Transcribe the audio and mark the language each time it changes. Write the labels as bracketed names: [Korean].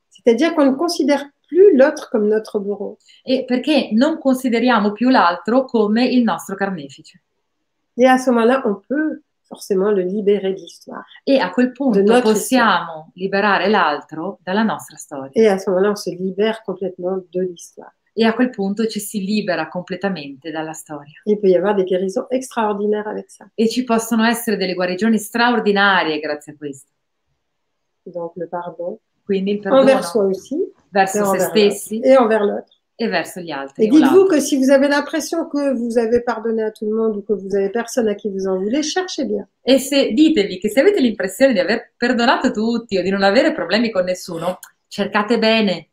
[French] C'est-à-dire qu'on ne considère plus l'autre comme notre bourreau. [Italian] Et perché non consideriamo più l'altro come il nostro carnefice. [French] Et à ce moment-là, on peut forcément le libérer de l'histoire. Et à [Italian] quel punto possiamo liberare l'altro dalla nostra storia. [French] Et à ce moment-là, on se libère complètement de l'histoire. [Italian] E a quel punto ci si libera completamente dalla storia. [French] Il peut y avoir des guérisons extraordinaires avec ça. [Italian] E ci possono essere delle guarigioni straordinarie grazie a questo. [French] Donc le pardon. [Italian] Quindi il perdono. [French] Envers soi aussi. [Italian] Verso se stessi. [French] Et envers l'autre. [Italian] E verso gli altri. [French] Et dites-vous que si vous avez l'impression que vous avez pardonné à tout le monde ou que vous avez personne à qui vous en voulez, cherchez bien. [Italian] E se ditevi che se avete l'impressione di aver perdonato tutti o di non avere problemi con nessuno, cercate bene.